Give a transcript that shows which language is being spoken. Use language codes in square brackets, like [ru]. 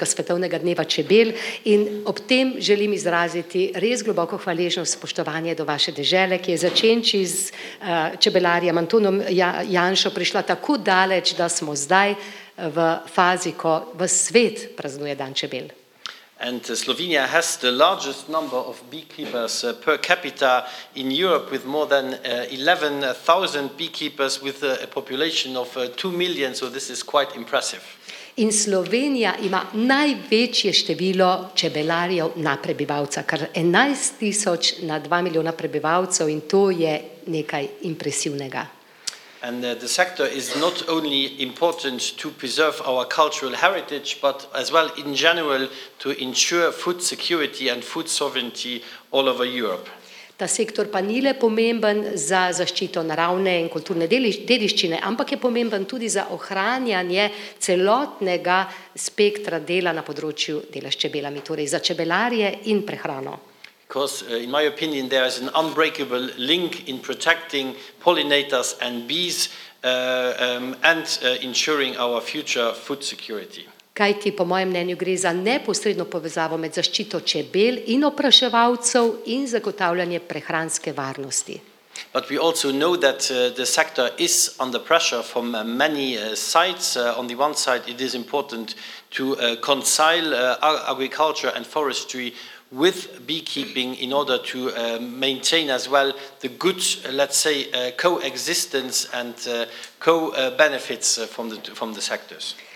[sl] svetovnega dneva čebel, in ob tem želim izraziti res globoko hvaležnost, spoštovanje do vaše dežele, ki je začenči z čebelarjem Antonom Janšo prišla tako daleč, da smo zdaj v fazi, ko v svet praznuje dan čebel. [en] And Slovenia has the largest number of beekeepers per capita in Europe, with more than 11,000 beekeepers with a population of 2 million, so this is quite impressive. [sl] In Slovenija ima največje število čebelarjev na prebivalca, kar 11,000 na 2 milijona prebivalcev, in to je nekaj impresivnega. [en] And the sector is not only important to preserve our cultural heritage, but as well in general to ensure food security and food sovereignty all over Europe. [sl] Ta sektor pa ni le pomemben za zaščito naravne in kulturne dediščine, ampak je pomemben tudi za ohranjanje celotnega spektra dela na področju dela s čebelami, torej za čebelarje in prehrano. [en] Because in my opinion there is an unbreakable link in protecting pollinators and bees and ensuring our future food security. [sl] Kajti po mojem mnenju gre za neposredno povezavo med zaščito čebel in opraševalcev in zagotavljanje prehranske varnosti. [en] But we also know that the sector is under pressure from many sides. On the one side it is important to conceal agriculture and forestry with beekeeping in order to maintain as well the good, let's say, coexistence and co-benefits from the sectors.